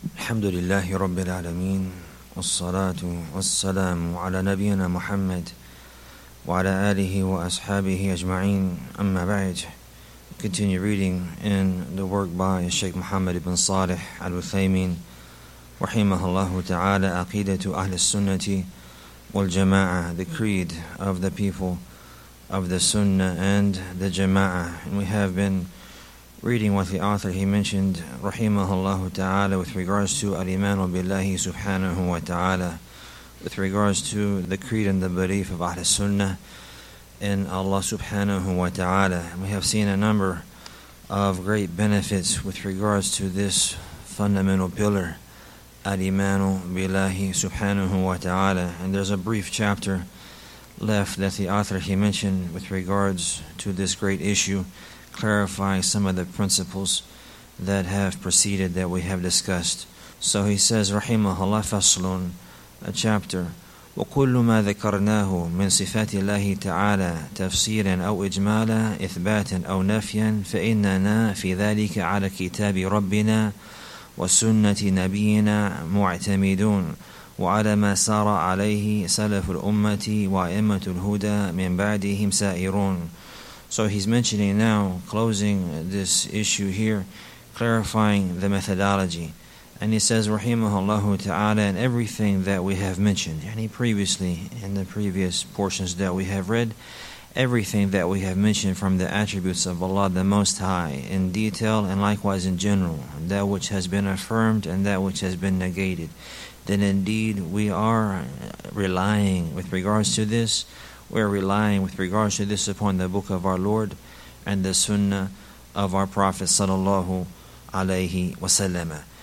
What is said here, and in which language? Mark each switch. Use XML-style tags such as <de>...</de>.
<ar>الحمد لله رب العالمين والصلاة والسلام على نبينا محمد وعلى آله وأصحابه أجمعين أما بعد.</ar> <en>Continue reading in the work by Sheikh Muhammad ibn Salih al-Uthaymeen</en> <ar>رحمه الله تعالى عقيدة أهل السنة والجماعة,</ar> <en>the creed of the people of the Sunnah and the Jama'ah. And we have been reading what the author, he mentioned, rahimahullah ta'ala, with regards to al-imanu billahi subhanahu wa ta'ala, with regards to the creed and the belief of Ahl sunnah in Allah subhanahu wa ta'ala. We have seen a number of great benefits with regards to this fundamental pillar, al-imanu billahi subhanahu wa ta'ala. And there's a brief chapter left that the author, he mentioned, with regards to this great issue, clarifying some of the principles that have preceded that we have discussed. So he says, rahimahullah, faslun, a chapter,</en> <ar>وَكُلُّ مَا ذَكَرْنَاهُ مِنْ صِفَاتِ اللَّهِ تَعَالَى تَفْسِيرًا أَوْ إِجْمَالًا إِثْبَاتًا أَوْ نَفْيًا فَإِنَّنَا فِي ذَلِكَ عَلَى كِتَابِ رَبِّنَا وَسُنَّةِ نَبِيِّنَا مُعْتَمِدُونَ وَعَلَى مَا سَارَ عَلَيْهِ سَلَفُ الْأُمَّةِ وَأَئِمَّةُ الْهُدَى مِنْ بَعْدِهِمْ سَائِرُونَ.</ar> <en>So he's mentioning now, closing this issue here, clarifying the methodology. And he says, rahimahullahu ta'ala, and everything that we have mentioned, yani previously, in the previous portions that we have read, everything that we have mentioned from the attributes of Allah the Most High, in detail and likewise in general, that which has been affirmed and that which has been negated, then indeed we are relying with regards to this, we're relying with regards to this upon the book of our Lord and the sunnah of our Prophet sallallahu alayhi wa sallam.</en>